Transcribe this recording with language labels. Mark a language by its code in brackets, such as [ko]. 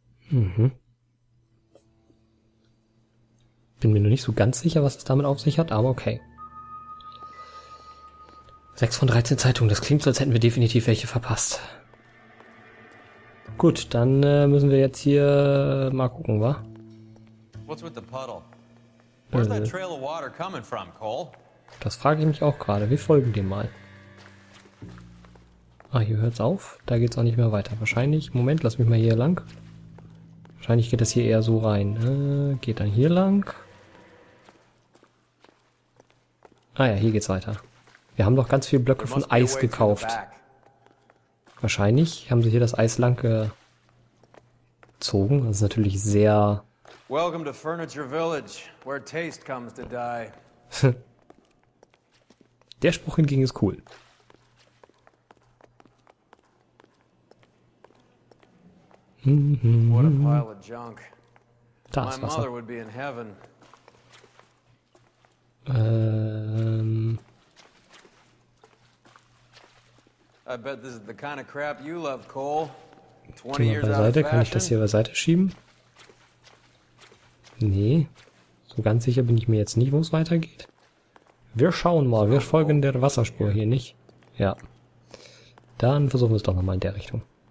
[de] Bin mir noch nicht so ganz sicher, was es damit auf sich hat, aber okay. 6 von 13 Zeitungen, das klingt so, als hätten wir definitiv welche verpasst. Gut, dann müssen wir jetzt hier mal gucken, wa? [en] What's with the puddle? Where's that trail of water coming from, Cole? [de] Das frage ich mich auch gerade, wir folgen dem mal. Ah, hier hört's auf. Da geht's auch nicht mehr weiter. Wahrscheinlich. Moment, lass mich mal hier lang. Wahrscheinlich geht das hier eher so rein. Geht dann hier lang. Ah ja, hier geht's weiter. Wir haben doch ganz viele Blöcke von Eis gekauft. Wahrscheinlich haben sie hier das Eis lang gezogen. Das ist natürlich sehr... [en] Welcome to Furniture Village, where taste comes to die. [de] Der Spruch hingegen ist cool. [en] What a pile of junk. [de] Da ist Wasser. [en] My mother would be in heaven. I bet this is the kind of crap you love, Cole. 20 years out of fashion. [de] Kann ich das hier beiseite schieben? Nee, so ganz sicher bin ich mir jetzt nicht, wo es weitergeht. Wir schauen mal, wir folgen der Wasserspur hier nicht. Ja, dann versuchen wir es doch nochmal in der Richtung.